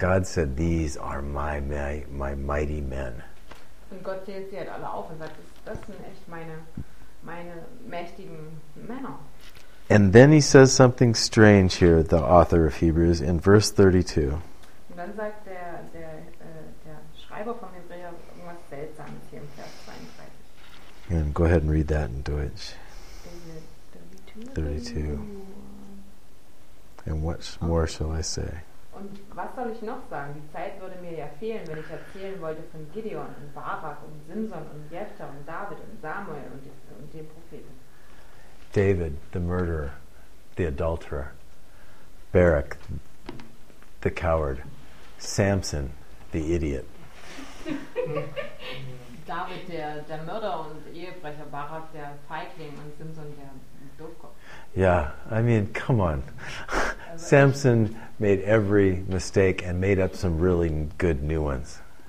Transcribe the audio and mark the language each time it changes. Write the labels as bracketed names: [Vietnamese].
[English] God said, these are my mighty men. [German] Und Gott zählt sie halt alle auf und sagt, das sind echt meine mächtigen Männer. [English] And then he says something strange here, the author of Hebrews, in verse 32. [German] Und dann sagt der Schreiber von Hebräer irgendwas Seltsames hier im Vers 32. [English] And go ahead and read that in Deutsch. Is it 32. And what more shall I say? [German] Und was soll ich noch sagen? Die Zeit würde mir ja fehlen, wenn ich erzählen wollte von Gideon und Barak und Simson und Jephtha und David und Samuel und den Propheten. [English] David, the murderer, the adulterer. Barak, the coward. Samson, the idiot. [German] David, der Mörder und Ehebrecher. Barak, der Feigling und Simson, der Doofkopf. [English] Yeah, I mean, come on. Samson made every mistake and made up some really good new ones.